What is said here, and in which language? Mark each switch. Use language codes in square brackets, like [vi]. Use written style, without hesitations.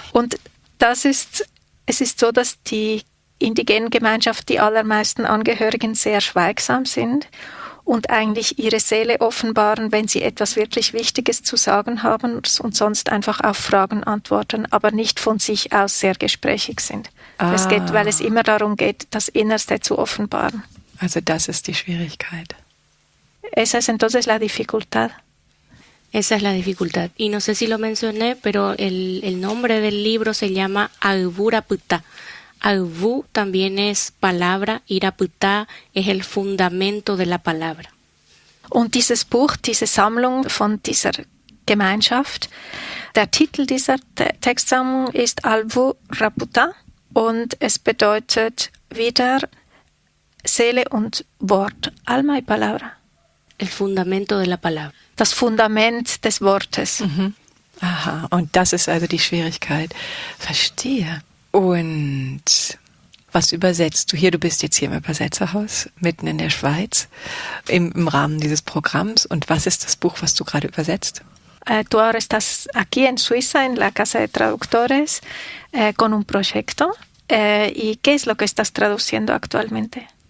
[de] Und das ist, es ist so, dass die indigenen Gemeinschaft, die allermeisten Angehörigen, sehr schweigsam sind und eigentlich ihre Seele offenbaren, wenn sie etwas wirklich Wichtiges zu sagen haben und sonst einfach auf Fragen antworten, aber nicht von sich aus sehr gesprächig sind. Ah. Es geht, weil es immer darum geht, das Innerste zu offenbaren. Also das ist die Schwierigkeit. [es] Esa es entonces la dificultad. Esa es la dificultad. Y no sé si lo mencioné, pero el nombre del libro se llama Agvuraputa. Agvu también es palabra, Iraputa es el fundamento de la palabra. [de] Und dieses Buch, diese Sammlung von dieser Gemeinschaft, der Titel dieser Textsammlung ist Agvuraputa und es bedeutet wieder Seele und Wort, [es] Alma y Palabra. El fundamento de la palabra. [de] Das Fundament des Wortes. Mhm. Aha, und das ist also die Schwierigkeit. Verstehe. Und was übersetzt du hier? Du bist jetzt hier im Übersetzerhaus, mitten in der Schweiz, im Rahmen dieses Programms. Und was ist das Buch, was du gerade übersetzt? [es] Du estás aquí en Suiza, en la Casa de Traductores, con un proyecto. ¿Y qué es lo que estás traduciendo actualmente?